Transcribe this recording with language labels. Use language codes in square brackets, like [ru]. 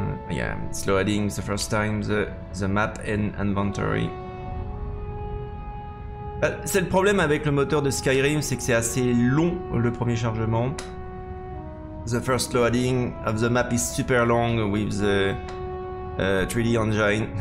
[en] Yeah, it's loading the first time the map and inventory. [fr] C'est le problème avec le moteur de Skyrim, c'est que c'est assez long le premier chargement. [en] The first loading of the map is super long with the 3D engine.